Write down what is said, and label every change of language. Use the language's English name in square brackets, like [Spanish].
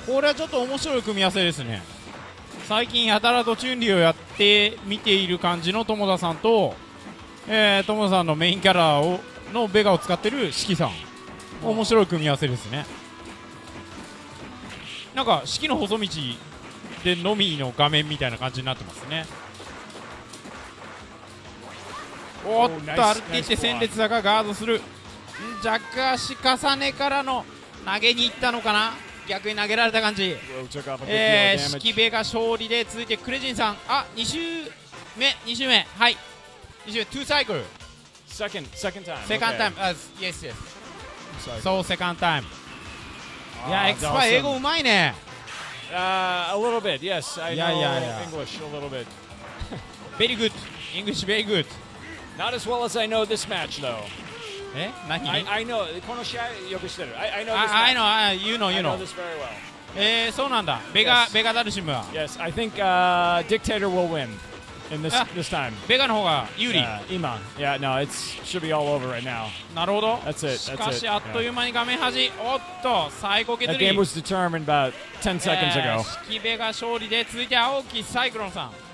[English] This is a bit of an interesting combination. [Japanese] 最近やたらとチュンリーをやって見ている感じの友田さんと、友田さんのメインキャラをのベガを使ってるシキさん、面白い組み合わせですね。なんかシキの細道でのみの画面みたいな感じになってますね。おっと、アルティって戦列だがガードする。ジャック足重ねからの投げに行ったのかな、逆に投げられた感じ。シキベが勝利で、続いてクレジンさん、あ、2周目、はい、2周目、2サイクル、 [English] セカンドタイム、 [Japanese] イエスイエス、そう、セカンドタイム。いや、エクスパイ英語うまいね。 [English] A little bit, yes, I know English a little bit. Very good, English very good. Not as well as I know this match though. I know [Japanese] この試合よく知ってる。 [English] I know this. I know. You know. I know this very well. [Japanese] そうなんだ。ベガ、yes. ベガダルシムは。 [English] Yes, I think Dictator will win in this time. [Japanese] ベガの方が有利。今。 [English] Yeah, no, it should be all over right now. [Japanese] なるほど。 [English] That's it. [Japanese] しかしあっという間に画面端。おっと、最高決 [English] 定。The game was determined about 10 seconds ago. [Japanese] シキベガ勝利で、続いて青木サイクロンさん。